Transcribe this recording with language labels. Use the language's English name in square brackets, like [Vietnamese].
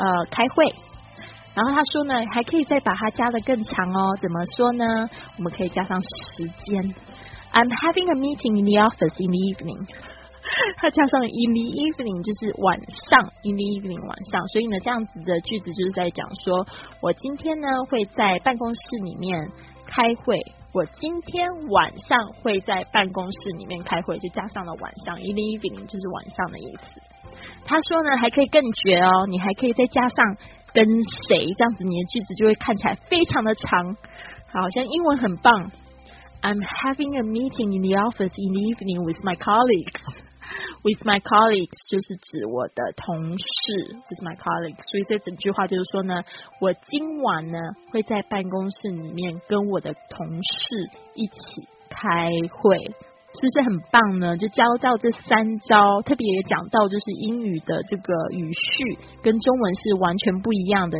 [Chinese] 开会，然后他说呢还可以再把它加得更长哦，怎么说呢，我们可以加上时间 [English] I'm having a meeting in the office in the evening， [Chinese] 他加上 [English] in the evening [Chinese] 就是晚上 in the evening 晚上，所以呢这样子的句子就是在讲说我今天呢会在办公室里面开会，我今天晚上会在办公室里面开会，就加上了晚上 in the evening 就是晚上的意思。他说呢还可以更绝哦，你还可以再加上跟谁，这样子你的句子就会看起来非常的长，好像英文很棒。 [English] I'm having a meeting in the office in the evening with my colleagues. With my colleagues [Chinese] 就是指我的同事 [English] with my colleagues. [Chinese] 所以这整句话就是说呢，我今晚呢会在办公室里面跟我的同事一起开会，是不是很棒呢？就教到这三招，特别也讲到就是英语的这个语序跟中文是完全不一样的。